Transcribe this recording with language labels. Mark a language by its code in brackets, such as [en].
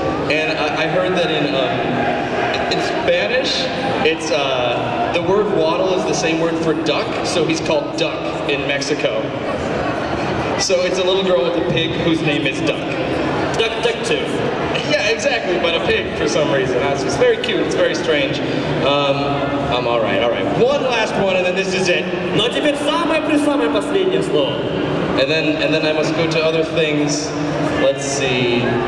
[en] And I heard that in Spanish, it's the word waddle is the same word for duck, so he's called duck in Mexico. So it's a little girl with a pig whose name is Duck. Duck too. Yeah, exactly, but a pig for some reason. It's very cute, it's very strange. I'm alright. One last one and then this is it. [ru] Но теперь самое последнее слово. [en] And then I must go to other things. Let's see.